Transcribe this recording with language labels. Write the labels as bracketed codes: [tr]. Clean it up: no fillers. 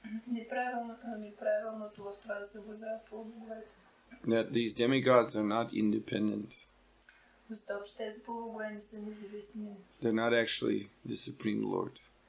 [bg] Неправилното в това да се обожава по боговете. [en] That these demigods are not independent. [bg] Защото тези полубоги не са независими. [en] They're not actually the Supreme Lord.